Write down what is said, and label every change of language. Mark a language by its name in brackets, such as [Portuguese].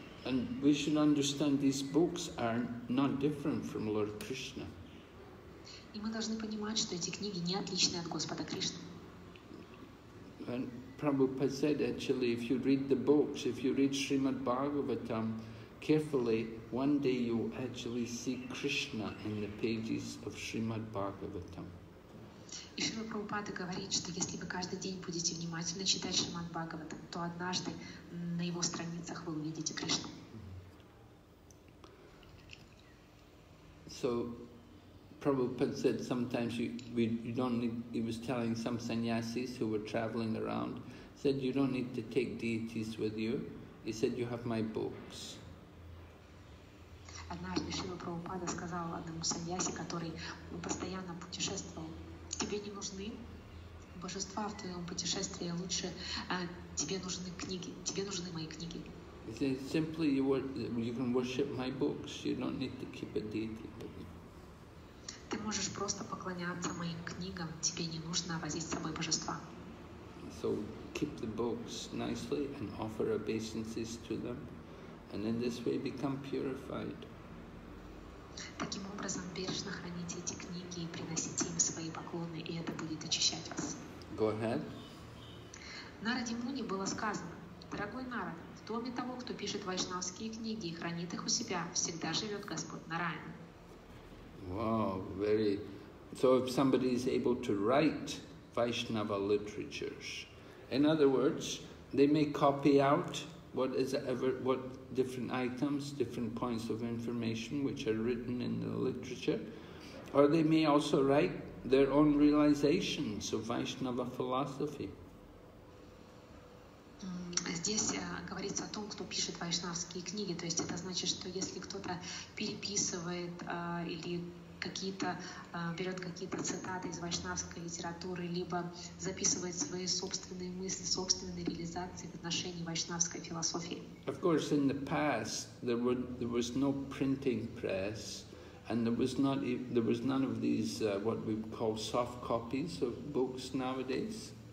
[English] And we should understand these books are not different from Lord Krishna. [Russian] И мы должны понимать, что эти книги не отличны от Господа Кришны. [English] And Prabhupada said, actually, if you read the books, if you read Srimad Bhagavatam carefully, one day you actually see Krishna in the pages of Srimad Bhagavatam. [Russian] И Шрила Прабхупада говорит, что если вы каждый день будете внимательно читать Шримад Бхагаватам, то однажды на его страницах вы увидите Кришну. [English] So, Prabhupada said sometimes you don't need, he was telling some sannyasis who were traveling around, said you don't need to take deities with you. He said you have my books. [Russian] Однажды Шрила Прабхупада сказал одному саньяси, который постоянно путешествовал, тебе не нужны божества в твоем путешествии, лучше тебе нужны книги, тебе нужны мои книги. [English] He said, simply you can worship my books, you don't need to keep a deity. [Russian] Ты можешь просто поклоняться моим книгам, тебе не нужно возить с собой божества. [English] So keep the books nicely and offer obeisances to them, and in this way become purified. [Russian] Таким образом, бережно храните эти книги и приносите им свои поклоны, и это будет очищать вас. [English] Go ahead. [Russian] Нараде Муни было сказано, дорогой Нара, в доме того, кто пишет вайшнавские книги и хранит их у себя, всегда живет Господь Нараяна. [English] Wow, very. So if somebody is able to write Vaishnava literatures, in other words, they may copy out what is ever what different items, different points of information which are written in the literature, or they may also write their own realizations of Vaishnava philosophy. [Russian] Здесь говорится о том, кто пишет вайшнавские книги, то есть это значит, что если кто-то переписывает или какие-то берет какие-то цитаты из вайшнавской литературы, либо записывает свои собственные мысли, собственные реализации в отношении вайшнавской философии. [English] Of course, in the past there was no printing press, and there was none of these what we call soft copies of books nowadays.